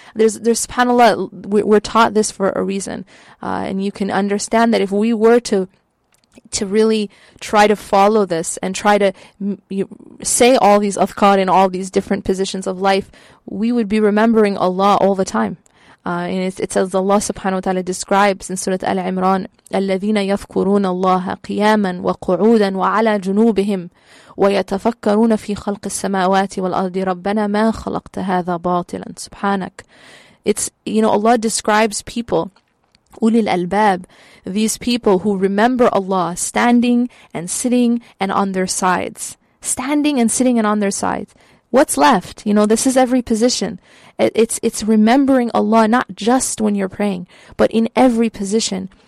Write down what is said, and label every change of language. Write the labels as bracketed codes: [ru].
[en] There's subhanAllah, we're taught this for a reason. And you can understand that if we were to really try to follow this and try to say all these adhkar in all these different positions of life, we would be remembering Allah all the time. And it says Allah subhanahu wa ta'ala describes in Surah Al-Imran, [ar] الَّذِينَ يَذْكُرُونَ اللَّهَ قِيَامًا وَقُعُودًا وَعَلَى جُنُوبِهِمْ وَيَتَفَكَّرُونَ فِي خَلْقِ السَّمَاوَاتِ وَالْأَرْضِ رَبَّنَا مَا خَلَقْتَ هَذَا بَاطِلًا سُبْحَانَكَ. [en] It's, you know, Allah describes people, ulil albab, these people who remember Allah standing and sitting and on their sides. Standing and sitting and on their sides. What's left? You know, this is every position. It's remembering Allah, not just when you're praying, but in every position.